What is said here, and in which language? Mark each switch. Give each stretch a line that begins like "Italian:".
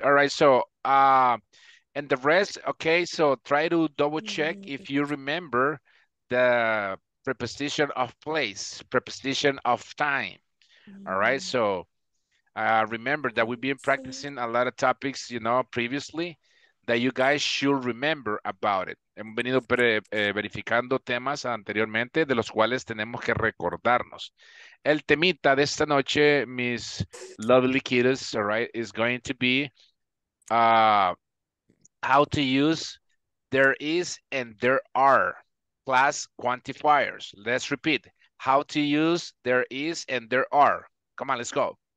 English: All right, so, and the rest, okay, so try to double check if you remember the preposition of place, preposition of time. All right, so remember that we've been practicing a lot of topics, you know, previously, that you guys should remember about it.
Spanish: Hemos venido verificando temas anteriormente de los cuales tenemos que recordarnos. El temita de esta noche, mis
English: lovely kiddos, all right, is going to be how to use there is and there are plus quantifiers. Let's repeat. How to use there is and there are. Come on, let's go.